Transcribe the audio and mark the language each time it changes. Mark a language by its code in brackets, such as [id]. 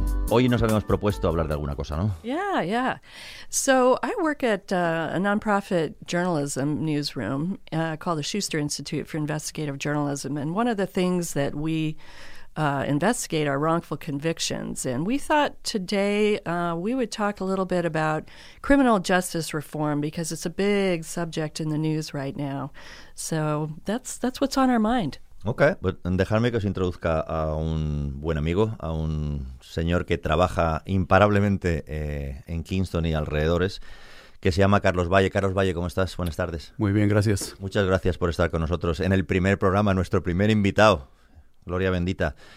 [es] Hoy nos habíamos propuesto hablar de alguna cosa, ¿no? [en] Yeah. So I work at a nonprofit journalism newsroom called the Schuster Institute for Investigative Journalism. And one of the things that we investigate our wrongful convictions. And we thought today we would talk a little bit about criminal justice reform because it's a big subject in the news right now. So that's what's on our mind. [es] Okay, pues dejadme que os introduzca a un buen amigo, a un señor que trabaja imparablemente en Kingston y alrededores, que se llama Carlos Valle. Carlos Valle, ¿cómo estás? Buenas tardes. Muy bien, gracias. Muchas gracias por estar con nosotros en el primer programa, nuestro primer invitado. Gloria bendita.